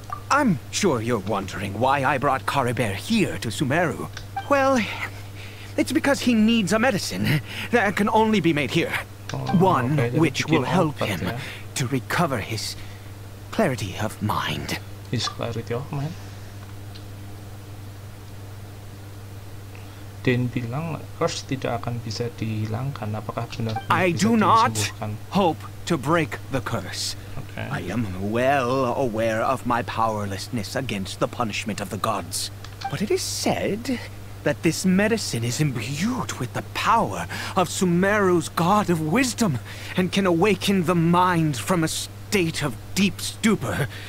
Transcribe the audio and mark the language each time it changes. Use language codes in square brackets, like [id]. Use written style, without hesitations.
[en] I'm sure you're wondering why I brought Caribert here to Sumeru. Well, it's because he needs a medicine that can only be made here. Which will help him to recover his clarity of mind. His clarity of mind? [id] Dan bilang curse tidak akan bisa dihilangkan. Apakah benar? [en] I do not hope to break the curse. I am well aware of my powerlessness against the punishment of the gods. But it is said that this medicine is imbued with the power of Sumeru's god of wisdom and can awaken the mind from a state of deep stupor.